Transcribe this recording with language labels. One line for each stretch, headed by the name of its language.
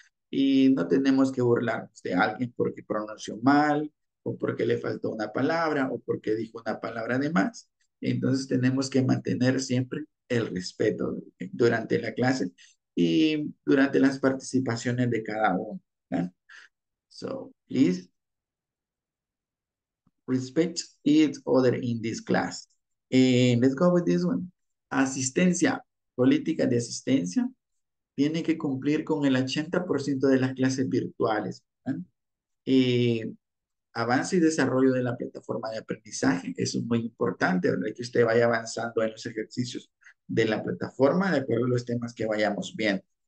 Spanish: Y no tenemos que burlarnos de alguien porque pronunció mal, o porque le faltó una palabra, o porque dijo una palabra de más. Entonces tenemos que mantener siempre el respeto durante la clase y durante las participaciones de cada uno, ¿verdad?
English: So, please respect each other in this class. And let's go with this one. Asistencia.
Spanish: Política de asistencia tiene que cumplir con el 80% de las clases virtuales. Avance y desarrollo de la plataforma de aprendizaje. Eso es muy importante, ¿verdad? Que usted vaya avanzando en los ejercicios de la plataforma de acuerdo a los temas que vayamos viendo.